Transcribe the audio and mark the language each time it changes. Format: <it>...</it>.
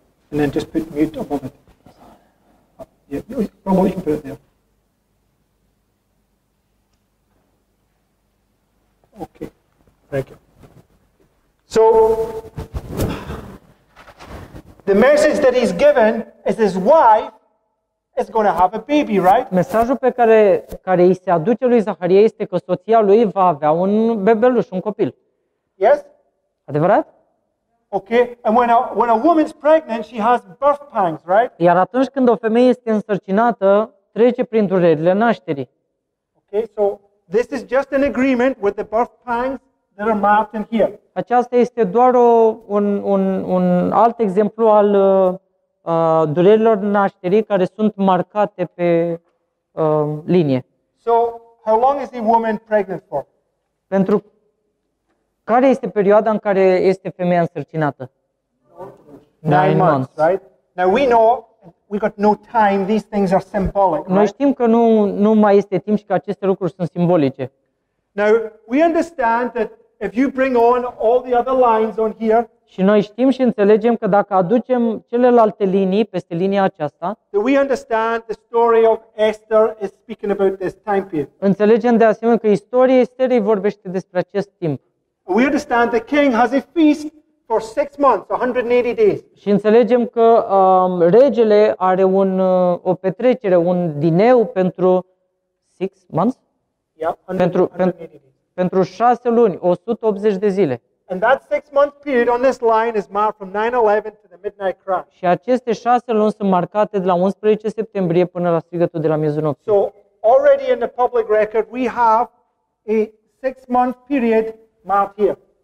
<en>And then just put mute up on it. Yeah, probably you can put it there. Okay. Thank you. So the message that he's given is his wife is going to have a baby, right?</en> <ro>Mesajul pe care îi se aduce lui Zaharia este că soția lui va avea un bebeluș, un copil.</ro> <en>Yes?</en> <ro>Adevărat?</ro> <en>Okay. And when a woman's pregnant, she has birth pangs, right?</en> <ro>Iar atunci când o femeie este însărcinată, trece prin durerile nașterii.</ro> <en>Okay, so this is just an agreement with the birth pangs that are marked in here.</en> <ro>Aceasta este doar un alt exemplu al durerilor nașterii care sunt marcate pe linie.</ro> <en>So, how long is the woman pregnant for?</en> <ro>Pentru care este perioada în care este femeia însărcinată?</ro> <en>9 months, right? Now we know we got no time. These things are symbolic. Right?</en> <ro>Noi știm că nu mai este timp și că aceste lucruri sunt simbolice.</ro> <en>Now we understand that if you bring on all the other lines on here,</en> <ro>Și noi știm și înțelegem că dacă aducem celelalte linii peste linia aceasta,</ro> <en>we understand the story of Esther is speaking about this time period.</en> <ro>Înțelegem de asemenea că istoria Esterei vorbește despre acest timp.</ro> <en>We understand the king has a feast for 6 months, 180 days.</en> <ro>Și înțelegem că regele are o petrecere, un dineu pentru</ro> <en>6 months? Yeah, 180</en> <ro>pentru 6 luni, 180 de zile.</ro> <en>And that 6-month period on this line is marked from 9/11 to the midnight crash.</en> <ro>Și aceste 6 luni sunt marcate de la 11 septembrie până la strigătul de la miezul nopții.</ro> <en>So, already in the public record we have a 6-month period marked here.</en>